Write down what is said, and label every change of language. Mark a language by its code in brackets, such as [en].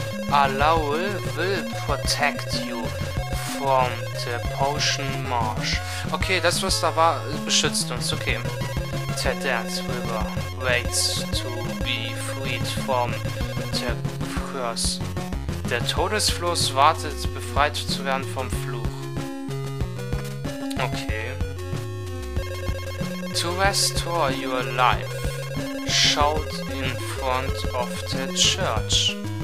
[en] Alaul will protect you from the potion marsh. [de] Okay, das, was da war, beschützt uns. Okay. [en] The Death River waits to be freed from the curse. [de] Der Todesfluss wartet, befreit zu werden vom Fluch. Okay. [en] To restore your life, shout in front of the church.